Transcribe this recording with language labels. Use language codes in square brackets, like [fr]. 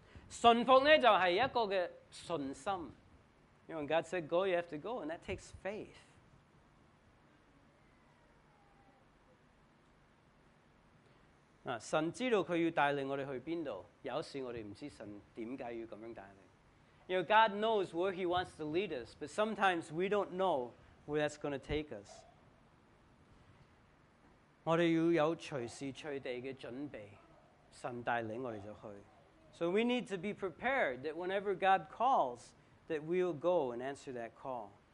[yue] 顺服呢就是一个的顺心。 [en] You know, when God said go, you have to go, and that takes faith. [yue] 神知道他要带领我们去哪里，有时我们不知道神为什么要这样带领。 [en] You know, God knows where he wants to lead us, but sometimes we don't know where that's going to take us. [yue] 我们要有随时随地的准备，神带领我们就去。 [en] So we need to be prepared that whenever God calls, that we'll go and answer that call.